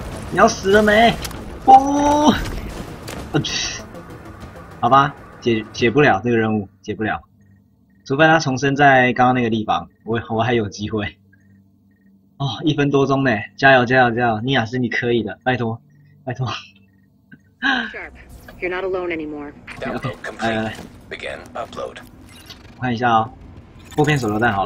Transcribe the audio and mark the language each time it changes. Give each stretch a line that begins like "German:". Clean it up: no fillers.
Chinese: 你要死了没？不、哦！好吧，解不了这个任务，解不了，除非他重生在刚刚那个地方，我还有机会。哦，一分多钟呢，加油加油加油，尼亚斯你可以的，拜托拜托。
English: Sharp, you're not alone anymore. Okay, okay,
Chinese: 来来来
English: ，begin upload。
Chinese: 我看一下哦，破片手榴弹好